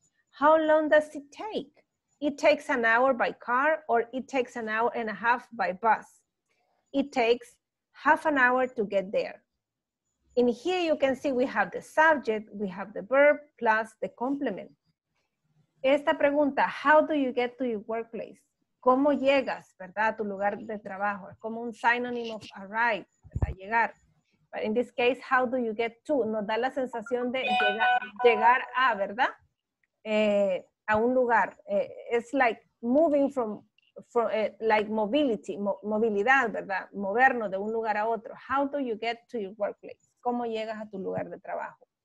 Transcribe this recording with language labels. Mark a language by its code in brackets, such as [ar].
[en] How long does it take? It takes an hour by car or it takes an hour and a half by bus. It takes half an hour to get there. In here you can see we have the subject, we have the verb plus the complement. [es] Esta pregunta, [en] how do you get to your workplace? [es] ¿Cómo llegas, verdad, a tu lugar de trabajo? Es como un [en] synonym of arrive, [es] ¿verdad? Llegar. [en] But in this case, how do you get to? [es] Nos da la sensación de llegar a, ¿verdad? A un lugar. [en] It's like moving like mobility, [es] movilidad, ¿verdad? Movernos de un lugar a otro. [en] How do you get to your workplace? [es] ¿Cómo llegas a tu lugar de trabajo?